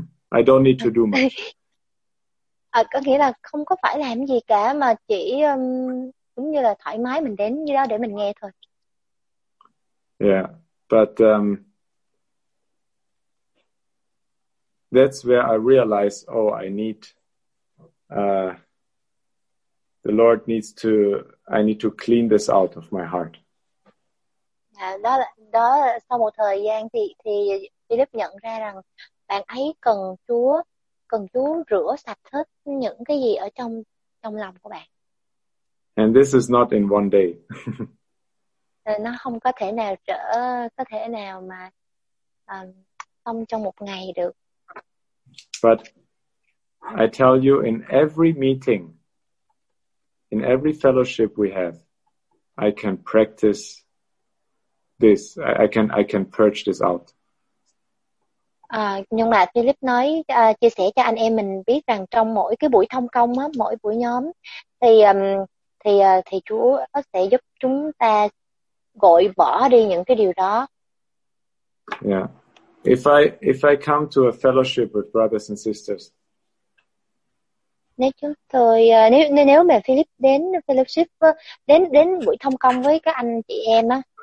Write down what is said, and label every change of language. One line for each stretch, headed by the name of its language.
English: I don't need to do much.
Vietnamese: Có nghĩa là không có phải làm gì cả mà chỉ cũng như là thoải mái mình đến như đó để mình nghe thôi.
English: Yeah, but that's where I realized, I need the Lord needs to, I need to clean this out of my heart.
Vietnamese: Đó sau một thời gian thì Philip nhận ra rằng bạn ấy cần Chúa rửa sạch hết những cái gì ở trong lòng của bạn.
English: And this is not in one day.
Vietnamese: Nó không có thể nào xong trong một ngày được.
English: But I tell you, in every meeting, in every fellowship we have, I can practice this. I can purge this out.
Vietnamese: Nhưng mà Philip nói chia sẻ cho anh em mình biết rằng trong mỗi cái buổi thông công á, mỗi buổi nhóm thì Chúa sẽ giúp chúng ta gội bỏ đi những cái điều đó.
English: Yeah. If I come to a fellowship with brothers and sisters.
Vietnamese: Nếu mà Philip đến fellowship đến buổi thông công với các anh chị em á.